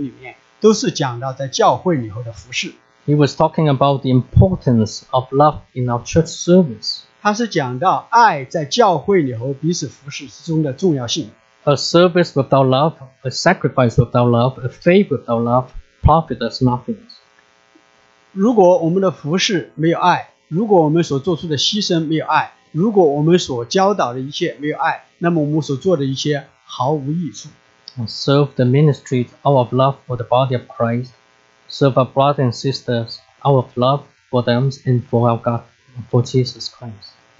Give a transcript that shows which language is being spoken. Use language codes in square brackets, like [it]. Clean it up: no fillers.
[zh] 但是如果我们在一个上下文里头来理解的话，我们看见从12章到14章的哥林多前书里面，都是讲到在教会里头的服事。 [en] He was talking about the importance of love in our church service. [zh] 他是讲到爱在教会里头彼此服事之中的重要性。 [en] A service without love, a sacrifice without love, a faith without love, profit us nothing. [zh] 如果我们的服事没有爱，如果我们所做出的牺牲没有爱，如果我们所教导的一切没有爱，那么我们所做的一切毫无益处。 [en] Serve the ministry out of love for the body of Christ. Serve our brothers and sisters out of love for them and for our God, for Jesus Christ.